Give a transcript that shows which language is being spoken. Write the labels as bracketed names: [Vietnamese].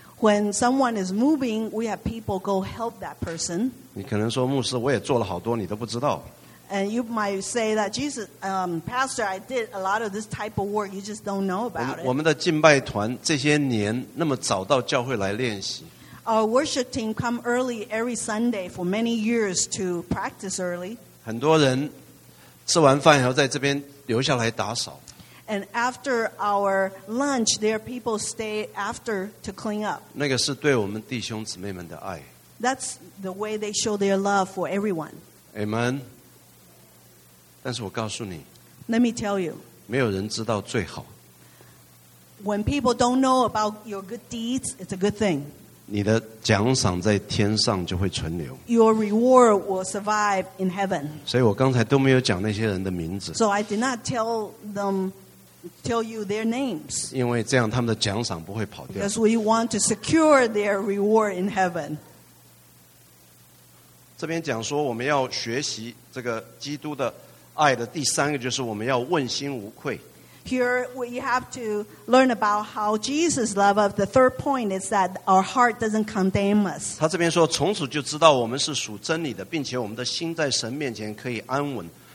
[English] When someone is moving, we have people go help that person. [Chinese] 你可能说牧师，我也做了好多，你都不知道。 [English] And you might say that Jesus, Pastor, I did a lot of this type of work. You just don't know about it. [Chinese] 我们的敬拜团这些年那么早到教会来练习。 [English] Our worship team come early every Sunday for many years to practice early. [Chinese] 很多人吃完饭以后在这边留下来打扫。 [English] And after our lunch, there are people stay after to clean up. [Chinese] 那个是对我们弟兄姊妹们的爱。 [English] That's the way they show their love for everyone. [Chinese] Amen. 但是我告诉你， [English] Let me tell you. [Chinese] 没有人知道最好。 [English] When people don't know about your good deeds, it's a good thing. [Chinese] 你的奖赏在天上就会存留。 [English] Your reward will survive in heaven. [Chinese] 所以我刚才都没有讲那些人的名字。 [English] So I did not tell them tell you their names. [Chinese] 因为这样他们的奖赏不会跑掉。 [English] Because we want to secure their reward in heaven. [Chinese] 这边讲说我们要学习这个基督的爱的第三个就是我们要问心无愧。 [English] Here we have to learn about how Jesus love of the third point is that our heart doesn't condemn us. [Chinese] 他这边说从此就知道我们是属真理的，并且我们的心在神面前可以安稳。